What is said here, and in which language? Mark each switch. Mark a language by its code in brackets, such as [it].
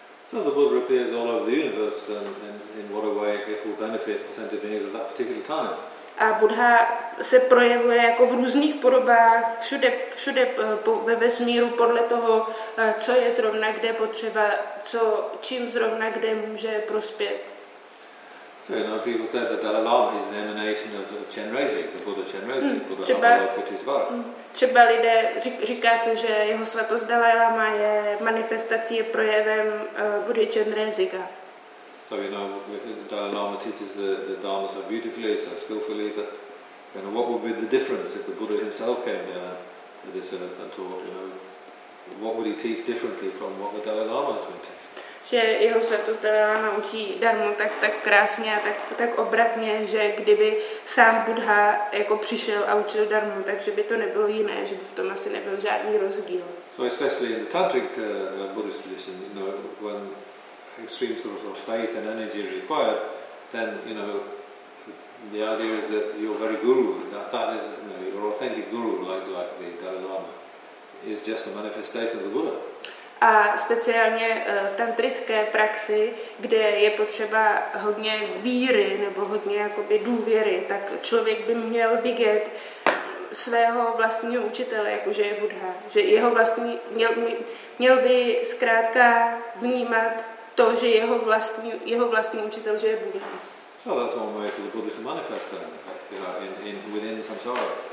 [en] So the Buddha appears all over the universe and in what a way it will benefit sentient beings at that particular time. [cs] A Buddha se projevuje jako v různých podobách, všude ve vesmíru podle toho, co je zrovna kde potřeba, čím zrovna kde může prospět. [en] So, you know, people said that Dalai Lama is the emanation of Chenrezig, the Buddha Chenrezig, Buddha Avalokiteshvara. [cs] Třeba lidé, říká se, že jeho svatost Dalai Lama je manifestací, je projevem Buddha Chenreziga. [en] So, you know, Dalai Lama teaches the Dharma so beautifully, so skillfully, that, you know, what would be the difference if the Buddha himself came down to this earth and taught, you know, what would he teach differently from what the Dalai Lama has been teaching? [cs] Že jeho svatost Dalai Lama učí darmo tak krásně a tak obratně, že kdyby sám Buddha jako přišel a učil darmo, takže by to nebylo jiné, že by v tom asi nebyl žádný rozdíl. [en] So especially in the tantric Buddhist tradition, you know, when extreme sort of faith and energy is required, then, you know, the idea is that your very guru, that is, you know, your authentic guru, like the Dalai Lama, is just a manifestation of the Buddha. [cs] A speciálně v tantrické praxi, kde je potřeba hodně víry nebo hodně jakoby důvěry, tak člověk by měl vidět svého vlastního učitele, jakože je Buddha. Že jeho vlastní, měl by zkrátka vnímat to, že jeho vlastní učitel, že je Buddha. [en] So that's one way for the Buddha to manifest then, within samsara.